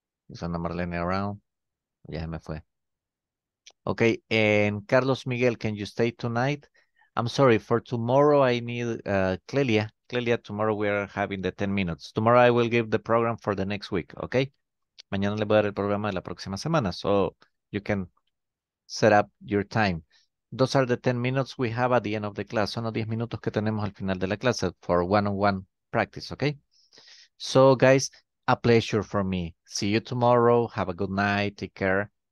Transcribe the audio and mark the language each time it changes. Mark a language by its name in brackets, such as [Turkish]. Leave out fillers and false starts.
[English] Is Ana Marlene around? [Spanish] Ya me fue. [English] Okay, and Carlos Miguel, can you stay tonight? I'm sorry, for tomorrow I need Clelia. Clelia, tomorrow we are having the 10 minutes. Tomorrow I will give the program for the next week, okay? [Spanish] Mañana le voy a dar el programa de la próxima semana. [English] So you can set up your time. Those are the 10 minutes we have at the end of the class. [Spanish] Son los 10 minutos que tenemos al final de la clase [English] for one-on-one practice, okay? So, guys, a pleasure for me. See you tomorrow. Have a good night. Take care.